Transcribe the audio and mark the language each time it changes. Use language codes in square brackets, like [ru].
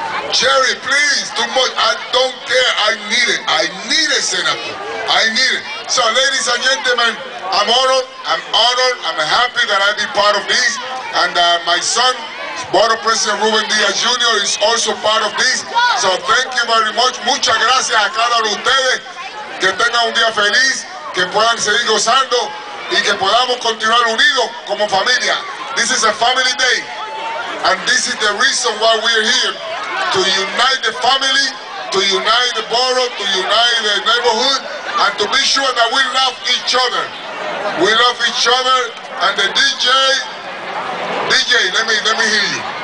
[en] Jerry, please, too much, I don't care, I need it, Senator, I need it. So ladies and gentlemen, I'm honored, I'm happy that I be part of this, and my son, Board of President Ruben Diaz Jr. is also part of this. So thank you very much. [es] Muchas gracias a cada uno de ustedes. Que tengan un día feliz, que puedan seguir gozando, y que podamos continuar unidos como familia. [en] This is a family day, and this is the reason why we're here, to unite the family, to unite the borough, to unite the neighborhood, and to be sure that we love each other. We love each other, and the DJ, let me hear you.